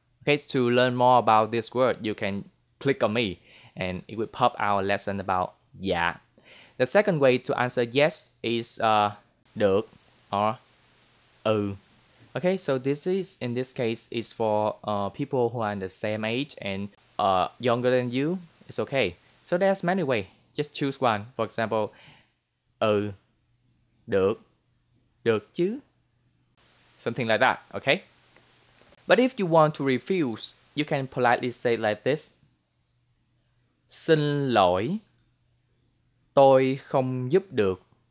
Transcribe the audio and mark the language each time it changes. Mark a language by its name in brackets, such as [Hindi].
[English] Okay, to learn more about this word, you can click on me and it will pop our lesson about yeah. The second way to answer yes is [Vietnamese] được [English] or [Vietnamese] ừ. [English] Okay, so this is, in this case, is for people who are in the same age and younger than you. It's okay. So there's many ways. Just choose one. For example, [Vietnamese] ừ, được, được chứ. [English] Something like that, okay? But if you want to refuse, you can politely say like this. [Vietnamese] Xin lỗi, tôi không giúp được.